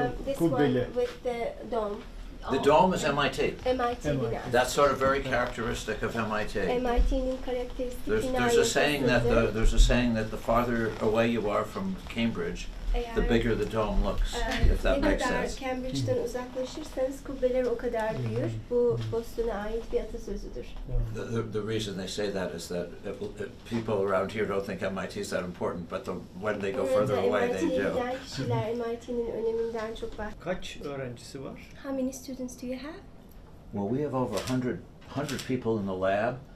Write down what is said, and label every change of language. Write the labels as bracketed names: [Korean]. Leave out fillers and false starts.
[English] This one with the dome. The dome is MIT. [Turkish] MIT binası. [English] That's sort of very characteristic of MIT. [Turkish] MIT'nin karakteristik binası. [English] There's a saying that the farther away you are from Cambridge, the bigger the dome looks, if that makes sense. [Turkish] Ne kadar Cambridge'den uzaklaşırsanız kubbeler o kadar büyür. Bu Boston'a ait bir atasözüdür. [English] The reason they say that is that people around here don't think MIT is that important, but when they go further away, they do. [Turkish] MIT'den kişiler MIT'nin öneminden çok var. Kaç öğrencisi var? [English] How many students do you have? Well, we have over 100 people in the lab.